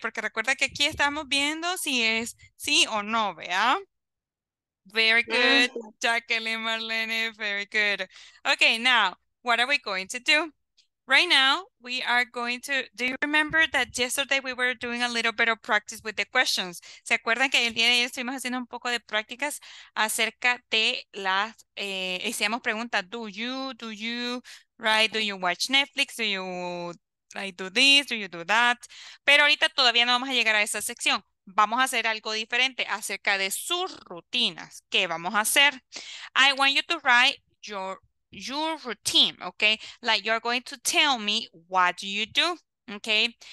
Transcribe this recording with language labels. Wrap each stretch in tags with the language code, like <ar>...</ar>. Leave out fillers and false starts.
<es>Porque recuerda que aquí estamos viendo si es sí o no, ¿vea?</es> <en>Very good, Jacqueline Marlene, very good. Okay, now, what are we going to do? Right now, we are going to, do you remember that yesterday we were doing a little bit of practice with the questions?</en> <es>¿Se acuerdan que el día de ayer estuvimos haciendo un poco de prácticas acerca de las, hacíamos preguntas,</es> <en>do you, right, do you watch Netflix, do you like do this, do you do that?</en> <es>Pero ahorita todavía no vamos a llegar a esa sección. Vamos a hacer algo diferente acerca de sus rutinas. ¿Qué vamos a hacer?</es> <en>I want you to write your routine, okay? Like, you're going to tell me what you do, okay?</en>